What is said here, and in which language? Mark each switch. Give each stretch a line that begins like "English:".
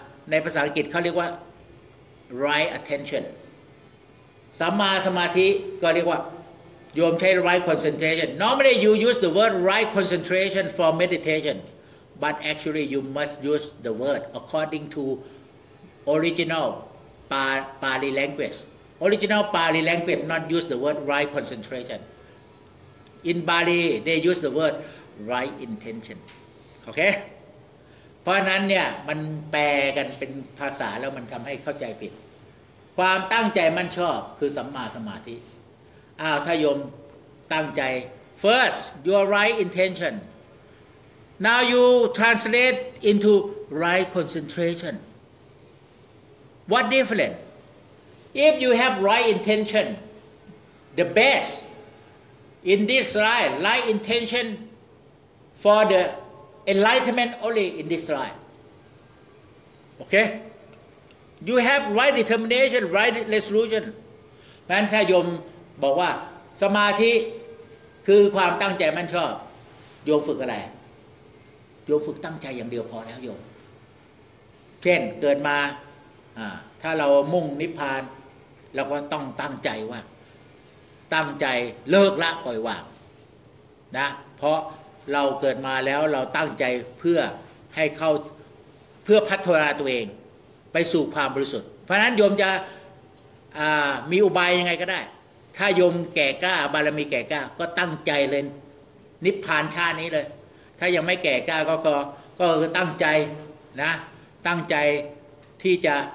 Thai: ในภาษาอังกฤษเขาเรียกว่า
English: right attention
Thai: สัมมาสมาธิก็เรียกว่าโยมใช้
English: right concentration Normally you use the word right concentration for meditationBut actually, you must use the word according to original Pali language. Original Pali language not use the word right concentration. In Bali, they use the word right intention. Okay?
Thai: เพราะนั้นเนี่ยมันแปลกันเป็นภาษาแล้วมันทำให้เข้าใจผิดความตั้งใจมั่นชอบคือสัมมาสมาธิถ้าโยมตั้งใจ
English: first your right intentionNow you translate into right concentration. What different? If you have right intention, the best in this life, right intention for the enlightenment only in this life. Okay? You have right determination, right resolution. When Thay Yom said that samadhi is the right intention, what do you do?
Thai: โยมฝึกตั้งใจอย่างเดียวพอแล้วโยมเช่นเกิดมาถ้าเรามุ่งนิพพานเราก็ต้องตั้งใจว่าตั้งใจเลิกละปล่อยวางนะเพราะ เราเกิดมาแล้วเราตั้งใจเพื่อให้เข้าเพื่อพัฒนาตัวเองไปสู่ความบริสุทธิ์เพราะนั้นโยมจะมีอุบายยังไงก็ได้ถ้าโยมแก่กล้าบารมีแก่กล้าก็ตั้งใจเลยนิพพานชาตินี้เลยถ้ายังไม่แก่กล้าก็ตั้งใจนะตั้งใจที่จะ